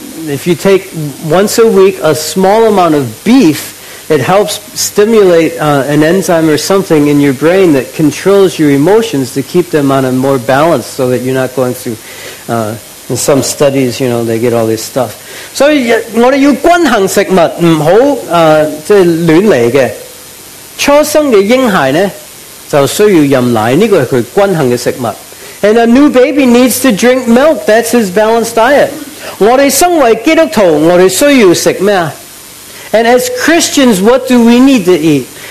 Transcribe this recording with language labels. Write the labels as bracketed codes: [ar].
[en] if you take once a week a small amount of beef, it helps stimulate an enzyme or something in your brain that controls your emotions to keep them on a more balance so that you're not going through, in some studies, you know, they get all this stuff. [zh] So, 我们要均衡食物,不要乱来的。初生的婴孩呢,就需要喝奶,这个是均衡的食物。 [en] And a new baby needs to drink milk, that's his balanced diet. [zh] 我们身为基督徒,我们需要吃什么? [en] And as Christians, what do we need to eat?